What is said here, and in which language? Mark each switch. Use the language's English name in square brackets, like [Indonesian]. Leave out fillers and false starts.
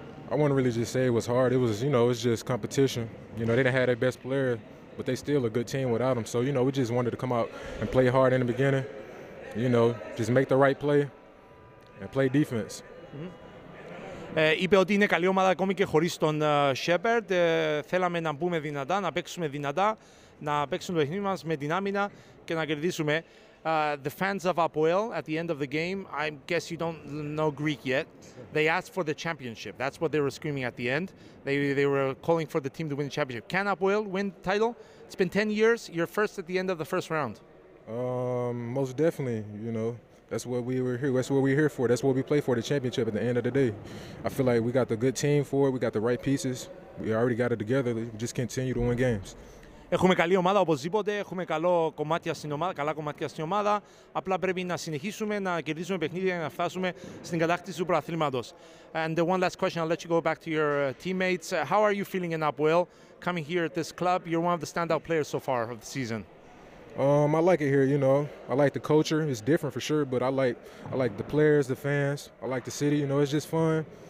[English] I wouldn't really just say it was hard. It was, you know, it's just competition. You know, they didn't have their best player, but they still a good team without him. So, you know, we just wanted to come out and play hard in the beginning. You know, just make the right play and play defense. Mm-hmm. [Greek] Είπε ότι είναι καλή ομάδα ακόμη και χωρίς τον Shepherd. Θέλαμε να μπούμε δυνατά, να παίξουμε δυνατά, να παίξουμε το παιχνίδι μας με την άμυνα και να κερδίσουμε. [English] The fans of Αποέλ at the end of the game, I guess you don't know Greek yet, they asked for the championship. That's what they were screaming at the end. They were calling for the team to win the championship. Can Αποέλ win the title? It's been 10 years. You're first at the end of the first round. Most definitely, you know. That's what we were here. That's what we're here for. That's what we play for, the championship at the end of the day. I feel like we got the good team for it. We got the right pieces. We already got it together. We just continue to win games. [Greek] Έχουμε καλή ομάδα οπωσδήποτε. Έχουμε καλό κομμάτια στην ομάδα, καλά κομμάτια στην ομάδα. Απλά πρέπει να συνεχίσουμε να κερδίζουμε παιχνίδια για να φτάσουμε στην κατάκτηση του πρωταθλήματος. [English] And one last question, I'll let you go back to your teammates. How are you feeling in Αποέλ coming here at this club? You're one of the standout players so far of the season. I like it here, you know. I like the culture. It's different for sure, but I like the players, the fans. I like the city, you know. It's just fun.